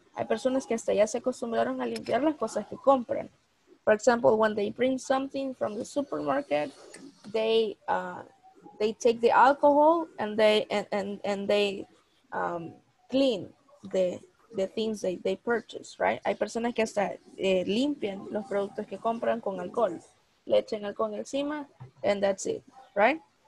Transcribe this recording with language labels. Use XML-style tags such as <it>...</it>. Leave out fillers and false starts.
<es>Hay personas que hasta ya se acostumbraron a limpiar las cosas que compran.</es> <en>For example, when they bring something from the supermarket, they take the alcohol and they clean the things they purchase, right?</en> <es>Hay personas que hasta limpian los productos que compran con alcohol. Le echan alcohol encima</es> <en>and that's it, right?</en>